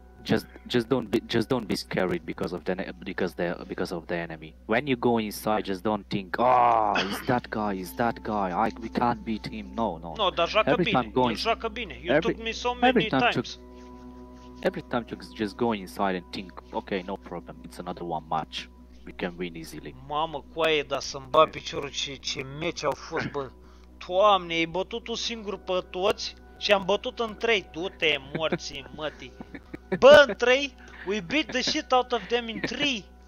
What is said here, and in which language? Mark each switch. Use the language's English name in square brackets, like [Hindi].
[English] Just don't be scared because of the enemy. When you go inside, just don't think, oh, is that guy? We can't beat him. No, no. No, [Romanian] dar joacă bine. [English] You took me so many times. Every time, just go inside and think, okay, no problem. It's another one match. We can win easily. [Romanian] Mamă, coaie, dar să-mi bat piciorul, ce meci au fost, bă. Doamne, ai bătut un singur pe toți și am bătut în trei. Du-te, morții, mătii. Bă, în trei? [English] We beat the shit out of them in three.